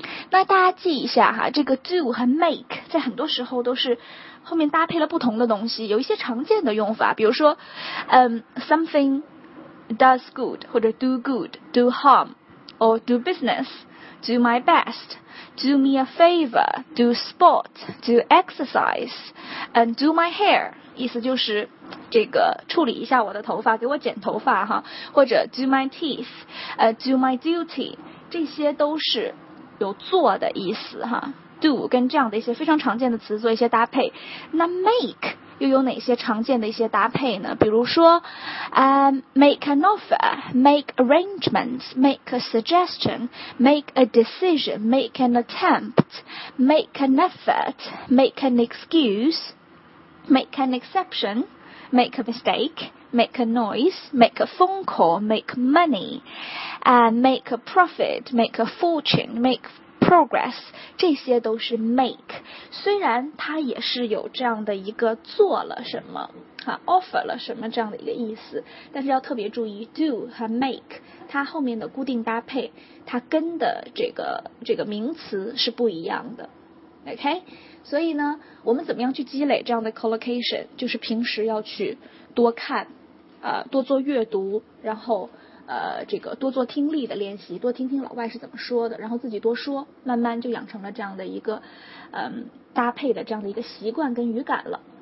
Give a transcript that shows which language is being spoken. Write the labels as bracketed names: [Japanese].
[Chinese] 那大家记一下哈， [English] 这个 do 和 make 在很多时候都是后面搭配了不同的东西， [Chinese] 有一些常见的用法，比如说 [English] something does good 或者 do good, do harm,or do business, do my best, do me a favor, do sport, do exercise, and do my hair. [Chinese] 意思就是这个处理一下我的头发，给我剪头发哈，或者 [English] do my teeth, do my duty, [Chinese] 这些都是有做的意思哈。 do 跟这样的一些非常常见的词做一些搭配。那 make 又有哪些常见的一些搭配呢？比如说 [English] make an offer, make arrangements, make a suggestion, make a decision, make an attempt, make an effort, make an excuse, make an exception, make a mistake, make a noise, make a phone call, make money, and make a profit, make a fortune, makeprogress, [Chinese] 这些都是 make, 虽然它也是有这样的一个做了什么啊 offer 了什么这样的一个意思，但是要特别注意 do 和 make, 它后面的固定搭配它跟的这个名词是不一样的。 OK, 所以呢我们怎么样去积累这样的 collocation, 就是平时要去多看多做阅读，然后这个多做听力的练习，多听听老外是怎么说的，然后自己多说，慢慢就养成了这样的一个搭配的这样的一个习惯跟语感了。